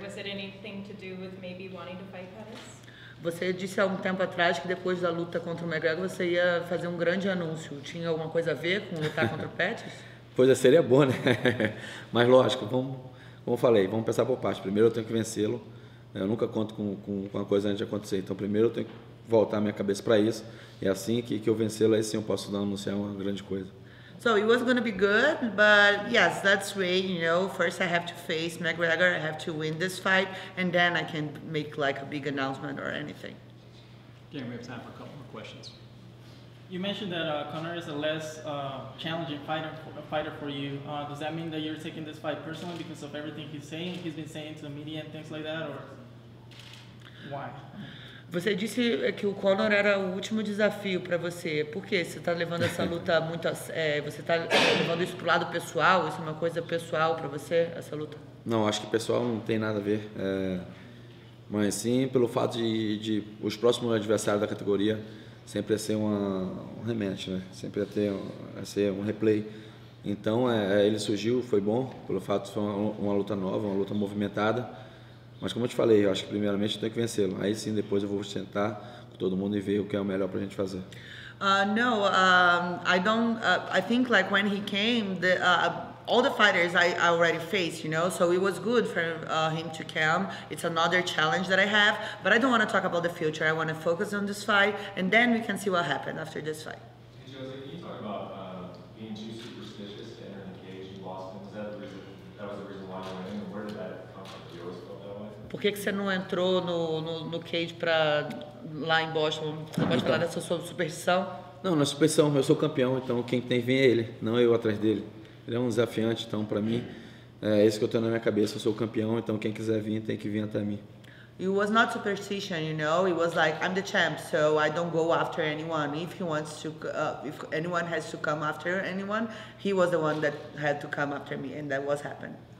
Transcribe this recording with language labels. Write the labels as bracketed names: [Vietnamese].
[English] Was it anything to do with maybe wanting to fight Pettis? [Portuguese] Você disse há um tempo atrás que depois da luta contra o McGregor você ia fazer um grande anúncio. Tinha alguma coisa a ver com lutar contra o Pettis? Pois é, seria bom, né? Mas lógico, como eu falei, vamos pensar por parte. Primeiro eu tenho que vencê-lo. Eu nunca conto com a coisa antes de acontecer. Então primeiro eu tenho que voltar a minha cabeça para isso. E assim que eu vencê-lo, aí sim eu posso anunciar uma grande coisa. [English] So it was going to be good, but yes, that's right, you know, first I have to face McGregor, I have to win this fight, and then I can make like a big announcement or anything. Okay, we have time for a couple more questions. You mentioned that Conor is a less challenging fighter for you. Does that mean that you're taking this fight personally because of everything he's been saying to the media and things like that, or why? [Portuguese] Você disse que o Conor era o último desafio para você. Por quê? Você está levando essa luta muito... você está levando isso para o lado pessoal? Isso é uma coisa pessoal para você, essa luta? Não, acho que pessoal não tem nada a ver. Mas sim, pelo fato de os próximos adversários da categoria sempre ser um rematch, né? Sempre ser um replay. Então, ele surgiu, foi bom, pelo fato de ser uma luta nova, uma luta movimentada. Mas como eu te falei, eu acho que primeiramente eu tenho que vencê-lo. Aí sim, depois eu vou sentar com todo mundo e ver o que é o melhor para a gente fazer. [English] I think like when he came, all the fighters I already faced, you know, so it was good for him to come. It's another challenge that I have, but I don't want to talk about the future. I want to focus on this fight, and then we can see what happens after this fight. Hey, Jose, can you talk about being too superstitious to enter the cage? You lost him. Was that the reason why you went in? Where did that come from? [Portuguese] Por que você não entrou no cage para lá em Boston? Você pode falar dessa sua superstição? Não, não é superstição. Eu sou campeão, então quem tem vem é ele, não eu atrás dele. Ele é um desafiante, então para mim é isso que eu tenho na minha cabeça. Eu sou o campeão, então quem quiser vir tem que vir até mim. [English] It was not superstition, you know. It was like I'm the champ, so I don't go after anyone. If anyone has to come after anyone, he was the one that had to come after me, and that was happened.